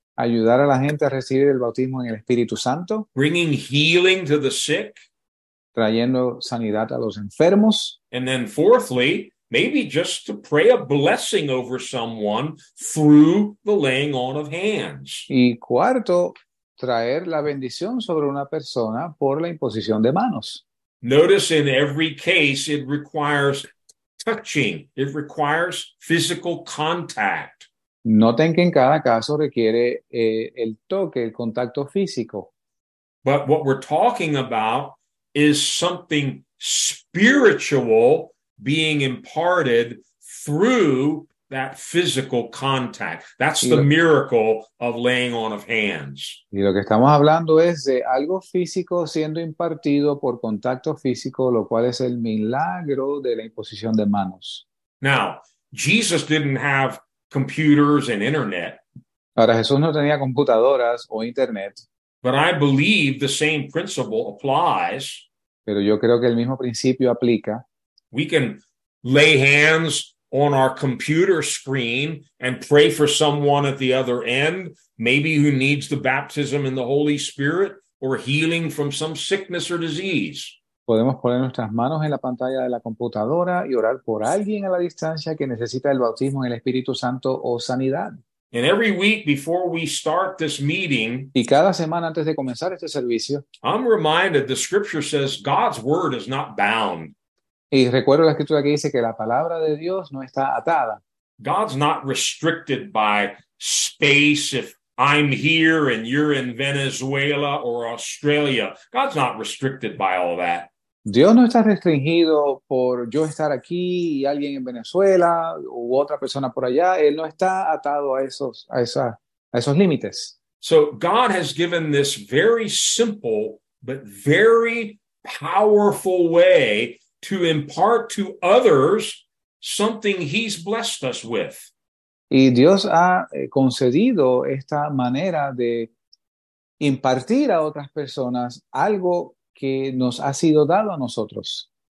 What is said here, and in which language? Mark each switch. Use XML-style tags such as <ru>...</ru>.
<es>Ayudar a la gente a recibir el bautismo en el Espíritu Santo.</es> <en>Bringing healing to the sick.</en> <es>Trayendo sanidad a los enfermos.</es> <en>And then fourthly, maybe just to pray a blessing over someone through the laying on of hands.</en> <es>Y cuarto, traer la bendición sobre una persona por la imposición de manos.</es> <en>Notice in every case it requires touching, it requires physical contact.</en> <es>Noten que en cada caso requiere el toque, el contacto físico.</es> <en>But what we're talking about is something spiritual being imparted through that physical contact. That's</en> <es>Y</es> <en>the miracle of laying on of hands.</en> <es>lo que estamos hablando es de algo físico siendo impartido por contacto físico, lo cual es el milagro de la imposición de manos.</es> <en>Now, Jesus didn't have computers and internet.</en> <es>Ahora, Jesús no tenía computadoras o internet,</es> <en>But I believe the same principle applies.</en> <es>pero yo creo que el mismo principio aplica.</es> <en>We can lay hands on our computer screen and pray for someone at the other end, maybe who needs the baptism in the Holy Spirit or healing from some sickness or disease.</en> <es>Podemos poner nuestras manos en la pantalla de la computadora y orar por alguien a la distancia que necesita el bautismo en el Espíritu Santo o sanidad.</es> <en>And every week before we start this meeting,</en> <es>Y cada semana antes de comenzar este servicio,</es> <en>I'm reminded the scripture says God's word is not bound.</en> <es>y recuerdo la escritura que dice que la palabra de Dios no está atada.</es> <en>God's not restricted by space if I'm here and you're in Venezuela or Australia. God's not restricted by all that.</en> <es>Dios no está restringido por yo estar aquí y alguien en Venezuela u otra persona por allá. Él no está atado a esos límites.</es> <en>So God has given this very simple but very powerful way to impart to others something he's blessed us with.</en> <es>Y Dios ha concedido esta manera de impartir a otras personas algo que nos ha sido dado a nosotros.</es>